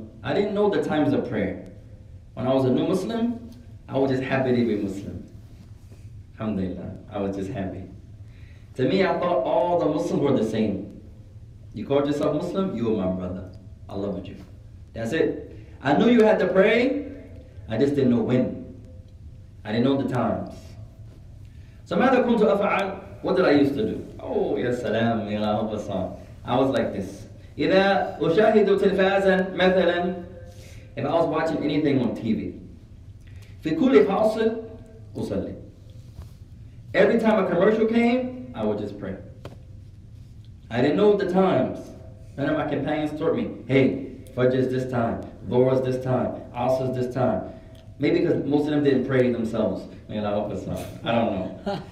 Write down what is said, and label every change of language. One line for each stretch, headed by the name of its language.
English: I didn't know the times of prayer. When I was a new Muslim, I was just happy to be Muslim. Alhamdulillah, I was just happy. To me, I thought all the Muslims were the same. You called yourself Muslim, you were my brother. I loved you. That's it. I knew you had to pray, I just didn't know when. I didn't know the times.
Arabic: So, ماذا كنت أفعل?
English: What did I used to do?
Arabic: Oh, يا سلام يا رب الصالح.
English: I was like this.
Arabic: إذا أشاهد تلفازا مثلا,
English: if I was watching anything on TV,
Arabic: في كل فاصل أصلي.
English: Every time a commercial came, I would just pray. I didn't know the times. None of my companions taught me, hey, Fajr is this time, Dhuhr is this time, Asr is this time. Maybe because most of them didn't pray themselves. May Allah help us out. I don't know.